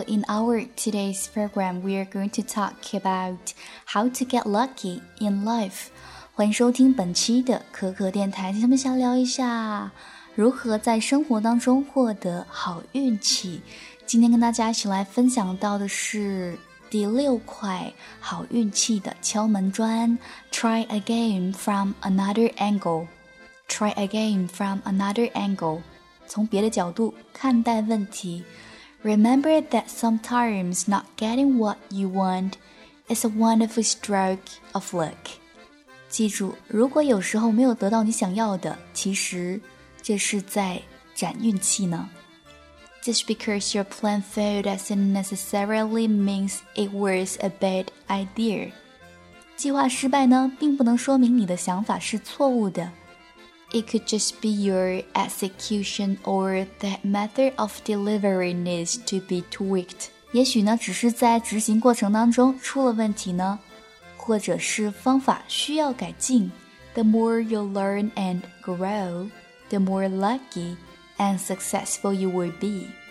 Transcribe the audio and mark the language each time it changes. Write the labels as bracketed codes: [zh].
[en] In our today's program, we are going to talk about how to get lucky in life. [zh] 欢迎收听本期的可可电台。今天我们想聊一下如何在生活当中获得好运气。今天跟大家一起来分享到的是第六块好运气的敲门砖 [en] Try again from another angle. Try again from another angle. [zh] 从别的角度看待问题。 [en] Remember that sometimes not getting what you want is a wonderful stroke of luck. [zh] 记住，如果有时候没有得到你想要的，其实这是在展运气呢。 [en] Just because your plan failed doesn't necessarily mean it was a bad idea. [zh] 计划失败呢，并不能说明你的想法是错误的。 [en] It could just be your execution or that method of delivery needs to be tweaked. [zh] 也许呢，只是在执行过程当中出了问题呢，或者是方法需要改进。 [en] The more you learn and grow, the more lucky and successful you will be.